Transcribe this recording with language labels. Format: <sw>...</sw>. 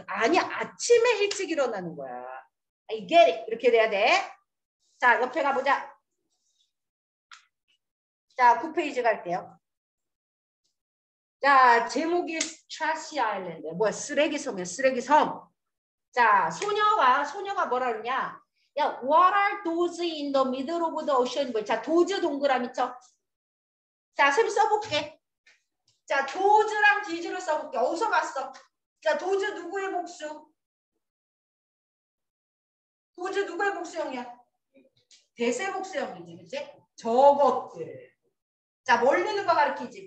<ko>아니, 아침에 일찍 일어나는 거야.</ko> <en>I get it.</en> <ko>이렇게 돼야 돼. 자, 옆에 가보자. 자, 9페이지 갈게요. 자, 제목이 Trashy Island. 뭐야, 쓰레기 섬이야, 쓰레기 섬. 자, 소녀가 뭐라 그러냐.</ko> <en>야, what are those in the middle of the ocean?</en> <ko>자, 도즈 동그라미 쳐. 자, 쌤 써볼게. 자, 도즈랑 디즈를 써볼게. 어디서 봤어? 자, 도즈 누구의 복수? 도즈 누구의 복수형이야? 대세 복수형이지, 그치? 저것들. 자, 멀리는 거 가르치지.</ko>